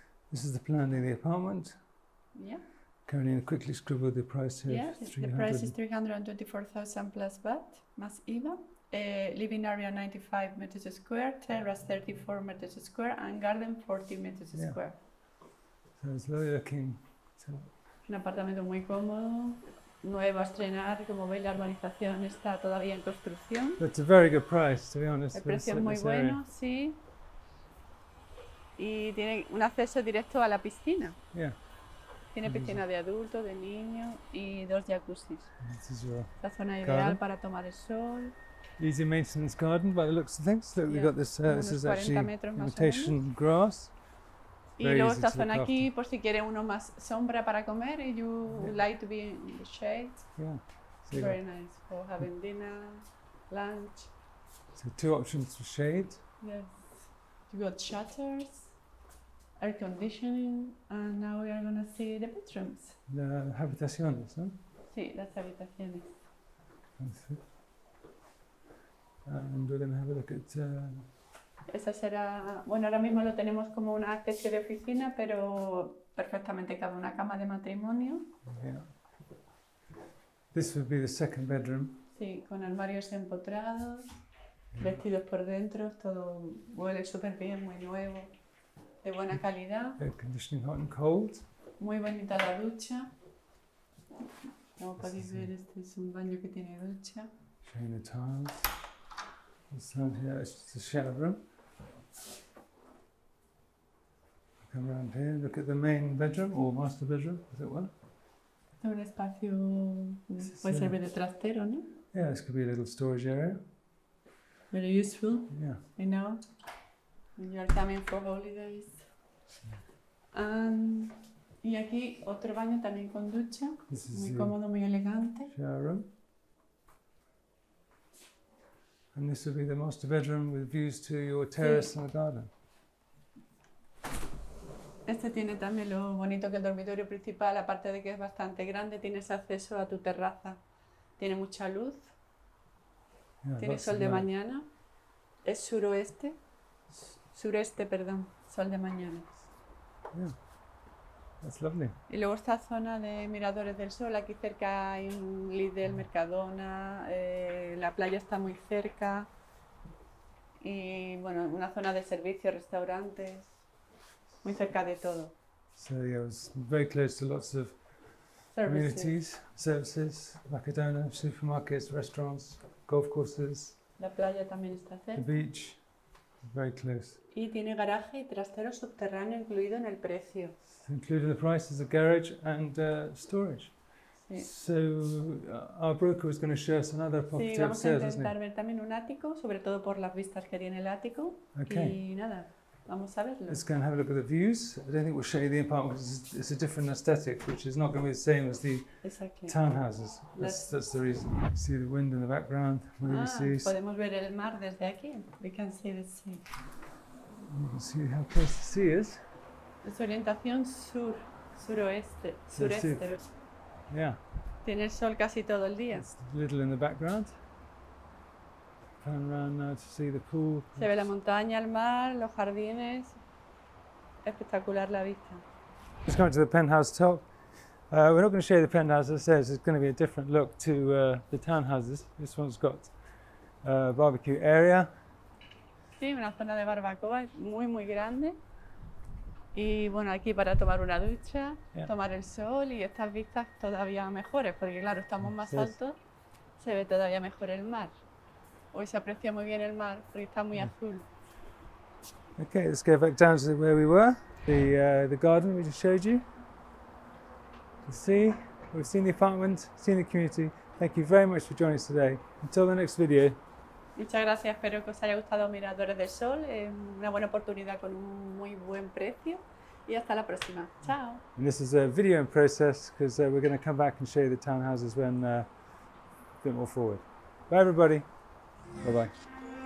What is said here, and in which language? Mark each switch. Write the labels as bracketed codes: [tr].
[en] This is the plan in the apartment. Yeah. Currently, I'll quickly scribble the price here. Yeah, the price is 324,000 plus baht, [es] mas IVA. [en] Living area 95 meters square, terrace 34 meters square, and garden 40 meters square. So it's lovely looking. [es] Un apartamento muy cómodo. Nuevo a estrenar, como veis la urbanización está todavía en construcción. [en] It's a very good price, to be honest. [es] El precio es muy bueno, sí. Y tiene un acceso directo a la piscina. Tiene piscina de adulto, de niño y dos jacuzzis. La zona ideal para tomar el sol. [en] Easy maintenance garden by the looks of things. Look, we've got this, this is actually imitation grass. [es] Y luego esta zona aquí, por si quiere uno más sombra para comer, [en] you like to be in the shade. Yeah. Very nice for having dinner, lunch. So two options for shade. Yes. You got shutters, air conditioning, and now we are going to see the bedrooms. [es] The habitaciones, ¿no? Sí, las habitaciones. [en] And we're going to have a look at... [es] Esa será, bueno, ahora mismo lo tenemos como una especie de oficina, pero perfectamente cabe una cama de matrimonio. [en] This would be the second bedroom. [es] Sí, con armarios empotrados, vestidos por dentro, todo huele súper bien, muy nuevo, de buena calidad. [en] Air conditioning hot and cold. [es] Muy bonita la ducha. Como podéis ver, este es un baño que tiene ducha. [en] Chain of tiles. This one here is just a shower room. Come around here, look at the main bedroom or master bedroom, is it one? [es] Es un espacio, puede servir de trastero, ¿no? [en] Yeah, this could be a little storage area. Very useful. Yeah. I know. When you're coming for holidays. [es] Y aquí otro baño también con ducha. [en] This is [es] muy cómodo, muy elegante. [en] Shower room. And this would be the master bedroom with views to your terrace and the garden. [es] Este tiene también lo bonito que el dormitorio principal, aparte de que es bastante grande, tienes acceso a tu terraza. Tiene mucha luz. Tiene sol de mañana. Es suroeste. Sureste, perdón. Sol de mañana. [en] That's lovely. [es] Y luego esta zona de Miradores del Sol, aquí cerca hay un Lidl, Mercadona, la playa está muy cerca. Y bueno, una zona de servicios, restaurantes, muy cerca de todo. [en] So yeah, it's very close to lots of amenities, services, Mercadona, supermarkets, restaurants, golf courses. [es] La playa también está cerca. [en] The beach, very close. [es] Y tiene garaje y trastero subterráneo incluido en el precio. [en] Included in the price is a garage and storage. [es] Sí. [en] So our broker was going to show us another property upstairs, wasn't he? [es] Sí, vamos a intentar ver también un ático, sobre todo por las vistas que tiene el ático. [en] Okay. [es] Y nada, vamos a verlo. [en] Let's go and have a look at the views. I don't think we'll show you the apartment because it's a different aesthetic, which is not going to be the same as the townhouses. That's the reason. See the wind in the background. [es] Podemos ver el mar desde aquí. [en] We can see the sea. You can see how close the sea is. [es] Es orientación sur, suroeste, sureste. [en] Yeah. [es] Tienes sol casi todo el día. [en] It's little in the background. Turn around now to see the pool. [es] Se ve la montaña, el mar, los jardines. Espectacular la vista. [en] Just going to the penthouse top. We're not going to show you the penthouse, as I said, it's going to be a different look to the townhouses. This one's got a barbecue area. [es] Sí, una zona de barbacoa muy, muy grande. Y bueno, aquí para tomar una ducha, yeah. Tomar el sol y estas vistas todavía mejores, porque claro, estamos más altos, se ve todavía mejor el mar. Hoy se aprecia muy bien el mar, porque está muy azul. [en] Okay, let's go back down to where we were. The garden we just showed you. See, we've seen the apartment, seen the community. Thank you very much for joining us today. Until the next video. [es] Muchas gracias. Espero que os haya gustado Miradores del Sol. Una buena oportunidad con un muy buen precio. Y hasta la próxima. Chao. [en] And this is a video in process because we're going to come back and show you the townhouses when a bit more forward. Bye, everybody. Bye bye.